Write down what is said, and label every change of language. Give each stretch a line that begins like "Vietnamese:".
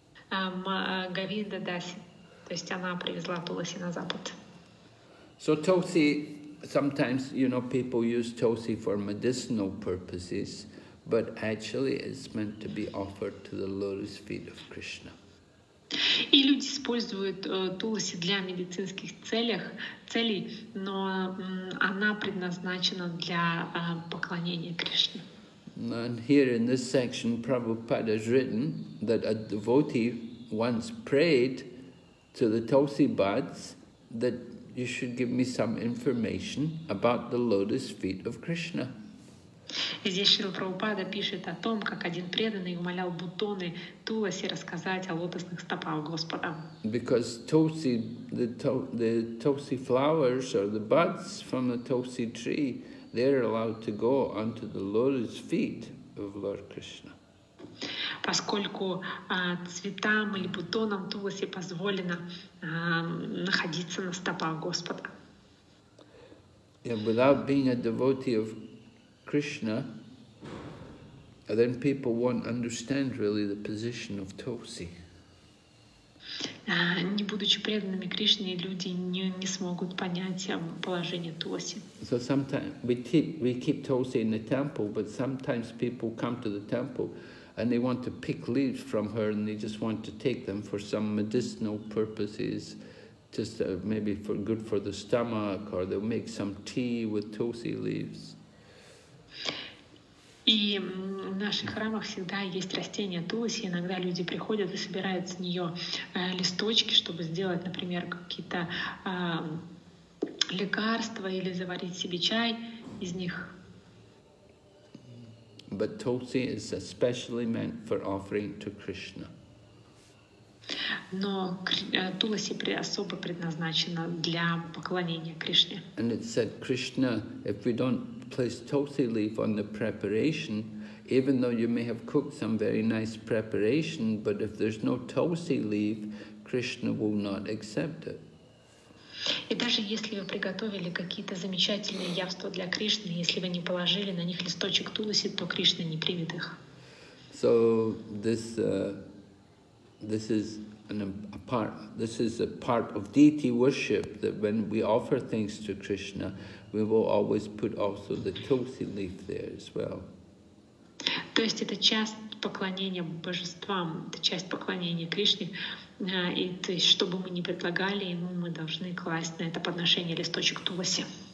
Russian: Говинда Даси. То есть она привезла туласи на Запад.
English: So tulsi, sometimes, you know, people use tulsi for medicinal purposes, but actually it's meant to be offered to the lotus feet of Krishna.
Russian: И люди используют туласи для медицинских целей, но она предназначена для поклонения Кришне.
English: And here in this section, Prabhupada has written that a devotee once prayed to the Tulsi Buds that you should give me some information about the lotus feet of Krishna.
Russian: Здесь Шрила Прабхупада пишет о том, как один преданный умолял бутоны Туласи рассказать о лотосных стопах Господа.
English: Because Tulsi, the Tulsi flowers or the buds from the Tulsi tree, they're allowed to go onto the lotus feet of Lord Krishna.
Russian: Поскольку цветам или бутонам Туласи позволено находиться на стопах Господа.
English: Yeah, without being a devotee of Krishna, and then people won't understand really the position of Tulsi.
Russian: Не будучи преданными Кришне, люди не смогут понять положение Тулси.
English: So sometimes we keep Tulsi in the temple, but sometimes people come to the temple and they want to pick leaves from her and they just want to take them for some medicinal purposes, just maybe for good for the stomach, or they'll make some tea with Tulsi leaves.
Russian: И в наших храмах всегда есть растение Туласи. Иногда люди приходят и собирают с нее листочки, чтобы сделать, например, какие-то лекарства или заварить себе чай из них.
English: But Tulsi is especially meant for offering to Krishna.
Russian: Но Туласи особо предназначена для поклонения Кришне.
English: And it said, Krishna, if we don't place Tulsi leaf on the preparation, even though you may have cooked some very nice preparation, but if there's no Tulsi leaf, Krishna will not accept it.
Russian: И даже если вы приготовили какие-то замечательные явства для Кришны, если вы не положили на них листочек Туласи, то Кришна не примет их.
English: So this is a part of deity worship, that when we offer things to Krishna, we will always put also the Tulsi leaf there as well.
Russian: То есть это часть поклонения божествам, это часть поклонения Кришне, и то есть, чтобы мы не предлагали ему, мы должны класть на это подношение листочек Туласи.